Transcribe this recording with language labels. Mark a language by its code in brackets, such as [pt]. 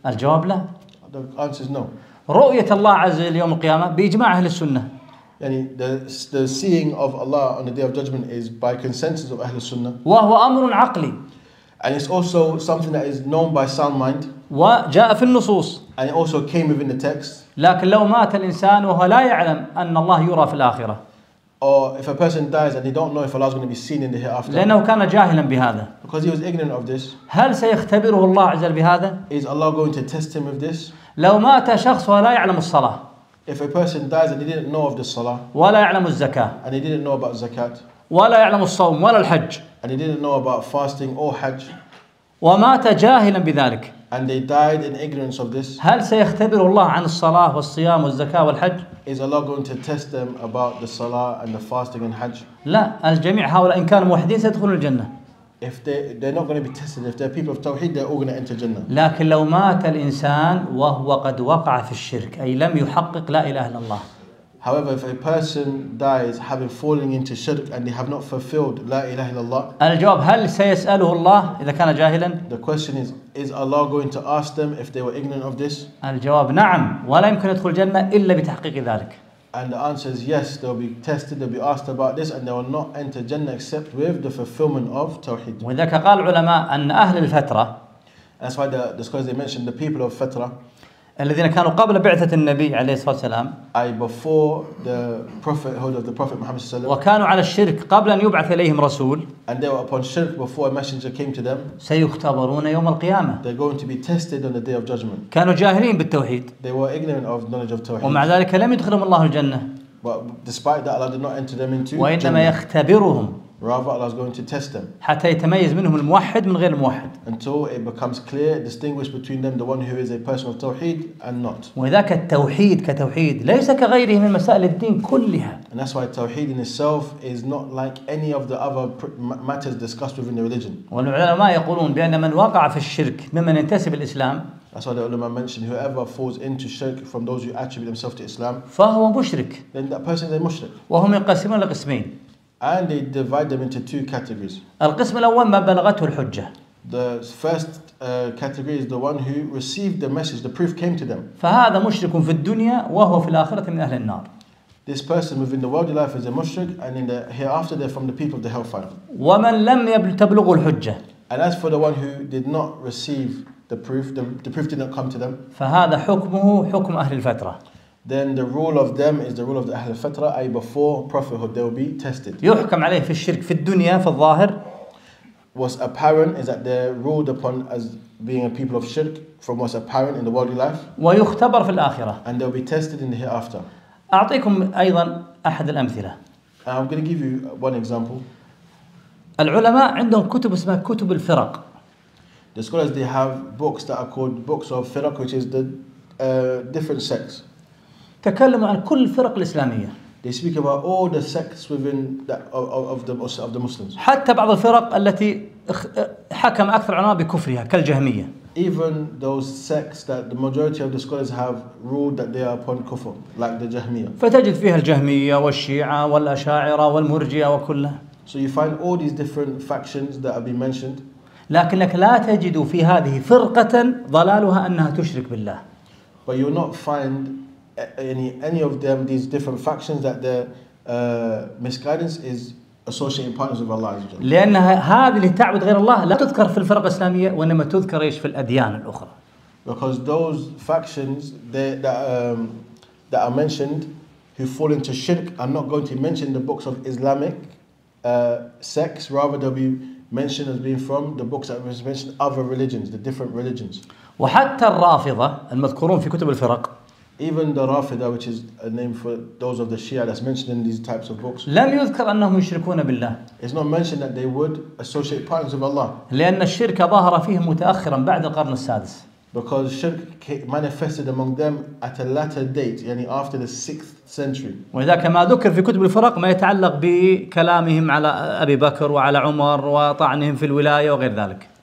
[ar] الجواب لا. [en] The answer is no. [ar] رؤية الله عز وجل يوم القيامة بإجماع أهل السنة. يعني [en] the seeing of Allah on the day of judgment is by consensus of أهل السنة. [ar] وهو أمر عقلي. [en] And it's also something that is known by sound mind. [ar] وجاء في النصوص. [en] And it also came within the text. [ar] لكن لو مات الإنسان وهو لا يعلم أن الله يرى في الآخرة. [en] Or if a person dies and they don't know if Allah is going to be seen in the hereafter. [ar] لأنه كان جاهلا بهذا. [en] Because he was ignorant of this. [ar] هل سيختبره الله عز وجل بهذا؟ [en] Is Allah going to test him with this? [ar] لو مات شخص وهو لا يعلم الصلاة. [en] If a person dies and he didn't know of the salah. [ar] ولا يعلم الزكاة. [en] And he didn't know about zakat. [ar] ولا يعلم الصوم ولا الحج. [en] And he didn't know about fasting or hajj. [ar] ومات جاهلا بذلك. [en] And they died in ignorance of this. [ar] هل سيختبر الله عن الصلاة والصيام والزكاة والحج؟ [en] Is Allah going to test them about the salah and the fasting and hajj? [ar] لا، الجميع هؤلاء إن كانوا موحدين سيدخلون الجنة. [en] If they're not going to be tested, if they're people of tawhid, they're all going to enter Jannah. [ar] لكن لو مات الإنسان وهو قد وقع في الشرك، أي لم يحقق لا إله إلا الله. [en] However, if a person dies having fallen into shirk and they have not fulfilled la ilaha illallah, [ar] الجواب هل سيسأله الله إذا كان جاهلا؟ [en] The question is Allah going to ask them if they were ignorant of this? [ar] الجواب نعم ولا يمكن يدخل الجنة إلا بتحقيق ذلك. [en] And the answer is yes, they'll be tested, they'll be asked about this, and they will not enter Jannah except with the fulfillment of tawhid. [ar] وذاك قال العلماء أن أهل الفترة. [en] That's why the scholars they mentioned the people of fatra. [ar] الذين كانوا قبل بعثة النبي عليه الصلاة والسلام. [en] I before the prophethood of the Prophet Muhammad [ar] صلى الله عليه وسلم. وكانوا على الشرك قبل أن يبعث إليهم رسول. [en] And they were upon shirk before a messenger came to them. [ar] سيختبرون يوم القيامة. [en] They're going to be tested on the day of judgment. [ar] كانوا جاهلين بالتوحيد. [en] They were ignorant of knowledge of tawhid. [ar] ومع ذلك لم يدخلهم الله الجنة. [en] But despite that, Allah did not enter them into. [ar] وإنما يختبرهم. [en] Rather, Allah is going to test them. [ar] حتى يتميز منهم الموحد من غير الموحد. [en] Until it becomes clear, distinguished between them, the one who is a person of tawhid and not. [ar] وذاك التوحيد كتوحيد ليس كغيره من مسائل الدين كلها. [en] And that's why tawhid in itself is not like any of the other matters discussed within the religion. [ar] والعلماء يقولون بأن من وقع في الشرك ممن ينتسب الإسلام. [en] That's why the ulama mentioned whoever falls into shirk from those who attribute themselves to Islam. [ar] فهو مشرك. [en] Then that person is a mushrik. [ar] وهم ينقسمون لقسمين. [en] And they divide them into two categories. [ar] القسم الأول ما بلغته الحجة. [en] The first category is the one who received the message, the proof came to them. [ar] فهذا مشرك في الدنيا وهو في الآخرة من أهل النار. [en] This person within the worldly life is a mushrik, and in the hereafter they're from the people of the hellfire. [ar] ومن لم يبلغ الحجة. [en] And as for the one who did not receive the proof, the proof did not come to them. [ar] فهذا حكمه حكم أهل الفترة. [en] Then the rule of them is the rule of the Ahl al-Fatra, i.e. before prophethood they will be tested. [ar] يحكم عليه في الشرك في الدنيا في الظاهر. [en] What's apparent is that they're ruled upon as being a people of shirk from what's apparent in the worldly life. [ar] ويختبر في الآخرة. [en] And they'll be tested in the hereafter. [ar] أعطيكم أيضا أحد الأمثلة. [en] I'm going to give you one example. [ar] العلماء عندهم كتب اسمها كتب الفرق. [en] The scholars, they have books that are called books of firq, which is the different sects. [ar] تكلموا عن كل الفرق الإسلامية. [en] They speak about all the sects within that of the Muslims. [ar] حتى بعض الفرق التي حكم أكثر عنها بكفرها كالجهمية. [en] Even those sects that the majority of the scholars have ruled that they are upon kufr, like the Jahmiyyah. [ar] فتجد فيها الجهمية والشيعة والأشاعرة والمرجية وكلها. [en] So you find all these different factions that have been mentioned. [ar] لكنك لا تجد في هذه فرقة ضلالها أنها تشرك بالله. [en] But you will not find any of them, these different factions, that their misguidance is associating partners with Allah Azza wa Jalla. [ar] لأنها هذه اللي تعبد غير الله لا تذكر في الفرق الإسلامية وإنما تذكر إيش في الأديان الأخرى. [en] Because those factions that are mentioned who fall into shirk are not going to mention the books of Islamic sects, rather they'll be mentioned as being from the books that was mentioned other religions, the different religions. [ar] وحتى الرافضة المذكورون في كتب الفرق. [en] Even the Rafida, which is a name for those of the Shia that's mentioned in these types of books. [ar] لم يذكر أنهم يشركون بالله. [en] It's not mentioned that they would associate partners with Allah. [ar] لأن الشرك ظهر فيهم متأخرا بعد القرن السادس. [en] Because shirk manifested among them at a later date, [ar] يعني [en] after the 6th century. [ar] ولذلك ما ذكر في كتب الفرق ما يتعلق بكلامهم على أبي بكر وعلى عمر وطعنهم في الولاية وغير ذلك.